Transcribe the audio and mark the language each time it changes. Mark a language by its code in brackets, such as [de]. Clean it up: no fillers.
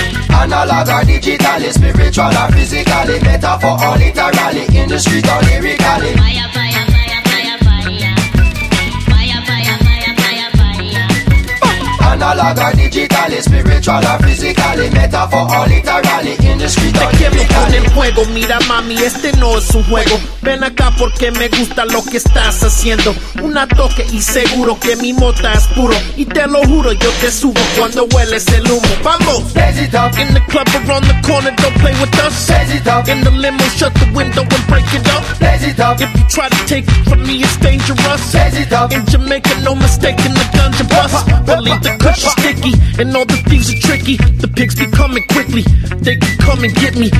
[en] Analog or digital, spiritual or physical, metaphor or literally, in the street or lyrically. Analog or digital, spiritual or physical, metaphor or literally, in the street or lyrically. [es] Juego, mira mami, este no es un juego. Ven acá porque me gusta lo que estás haciendo. Un toque y seguro que mi mota es puro. Y te lo juro, yo te subo cuando hueles el humo. Vamos! [en] Blaze it up. In the club around the corner, don't play with us. Blaze it up. In the limo, shut the window and break it up. Blaze it up. If you try to take it from me, it's dangerous. Blaze it up. In Jamaica, no mistake, in the dungeon bus. Believe the cushion sticky, and all the thieves are tricky. The pigs be coming quickly, they can come and get me.